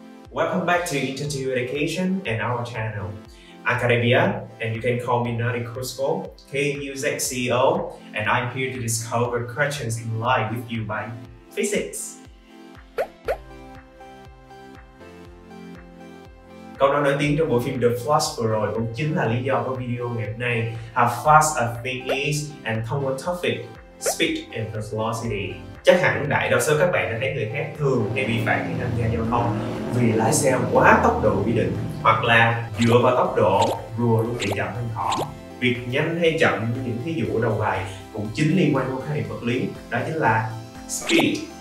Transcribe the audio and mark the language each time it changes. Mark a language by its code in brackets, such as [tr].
[en] Welcome back to Intertu Education and our channel. Acadepia, and you can call me Nerdy Cusco, K-U-Z-C CEO, and I'm here to discover questions in life with you by physics. [vi] Câu nói đầu tiên trong bộ phim The Flash vừa rồi cũng chính là lý do của video ngày hôm nay. [en] How fast a thing is, and [vi] thông qua [en] topic, speed and velocity. [vi] Chắc hẳn đại đa số các bạn đã thấy người khác thường để vi phạm khi tham gia giao thông vì lái xe quá tốc độ quy định, hoặc là dựa vào tốc độ rùa luôn chạy chậm hơn thỏ. Việc nhanh hay chậm như những thí dụ ở đầu bài cũng chính liên quan đến khái niệm vật lý, đó chính là speed.